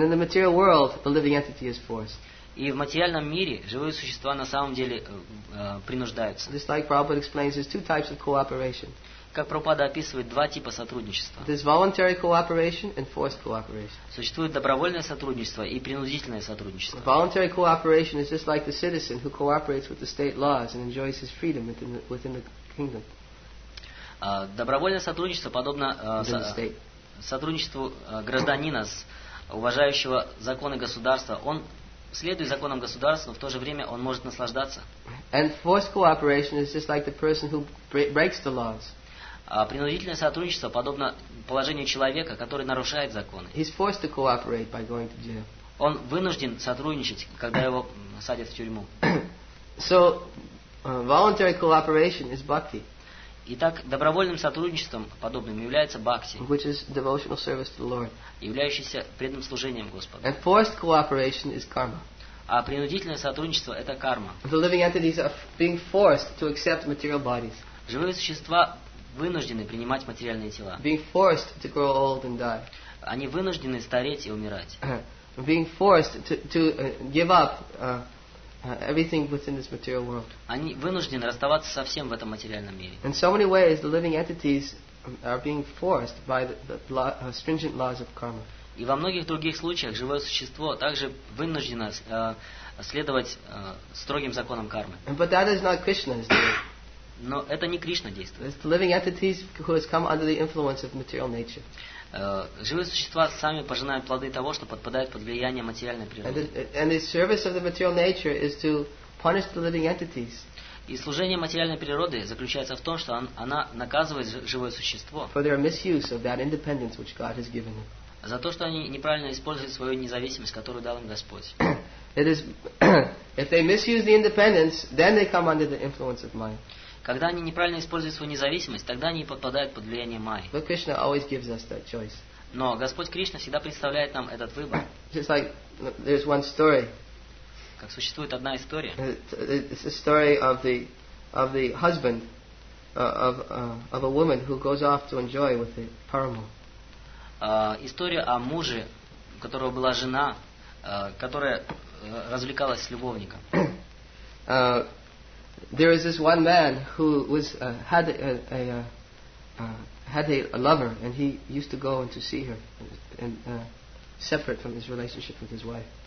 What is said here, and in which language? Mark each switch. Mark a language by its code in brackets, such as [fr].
[en] And in the material world, the living entity is forced. [ru] И в материальном мире живые существа на самом деле принуждаются. [en] Just like Prabhupada explains, there's two types of cooperation. [ru] Как Прабхупада описывает два типа сотрудничества. [en] There's voluntary cooperation and forced cooperation. [ru] Существует добровольное сотрудничество и принудительное сотрудничество. [en] Voluntary cooperation is just like the citizen who cooperates with the state laws and enjoys his freedom within the kingdom. [ru] Добровольное сотрудничество подобно сотрудничеству гражданина, уважающего законы государства. Он следует законам государства, но в то же время он может наслаждаться. [en] And forced cooperation is just like the person who breaks the laws. [ru] А принудительное сотрудничество подобно положению человека, который нарушает законы. [en] He's forced to cooperate by going to jail. [ru] Он вынужден сотрудничать, когда его садят в тюрьму. [en] So, voluntary cooperation is bhakti. [ru] Итак, добровольным сотрудничеством подобным является бхакти, [en] which is devotional service to the Lord. [ru] Являющийся преданным служением Господу. [en] And forced cooperation is karma. [ru] А принудительное сотрудничество это карма. [en] The living entities are being forced to accept material bodies. [ru] Живые существа вынуждены принимать материальные тела. [en] Being forced to grow old and die. [ru] Они вынуждены стареть и умирать. [en] Being forced to give up everything within this material world. [ru] Они вынуждены расставаться со всем в этом материальном мире. [en] In so many ways, the living entities are being forced by the stringent laws of karma. [ru] И во многих других случаях живое существо также вынуждено следовать строгим законам кармы. [en] But that is not Krishna's doing. [ru] Но это не Кришна действует. [en] It's the living entities who has come under the influence of material nature. [ru] Живые существа сами пожинают плоды того, что подпадают под влияние материальной природы. [en] And the service of the material nature is to punish the living entities. [ru] И служение материальной природы заключается в том, что она наказывает живое существо [en] for their misuse of that independence which God has given them. [ru] За то, что они неправильно используют свою независимость, которую дал им Господь. [en] It is if they misuse the independence, then they come under the influence of mind. [ru] Когда они неправильно используют свою независимость, тогда они попадают под влияние майи. [en] But Krishna always gives us that choice. [ru] Но Господь Кришна всегда представляет нам этот выбор. [en] Just like there's one story. [ru] Как существует одна история. [en] It's a story of the husband of a woman who goes off to enjoy with the paramo. [ru] История о муже, у которого была жена, которая развлекалась с любовником. [en] There is this one man who was had a lover, and he used to go and to see her, and separate from his relationship with his wife.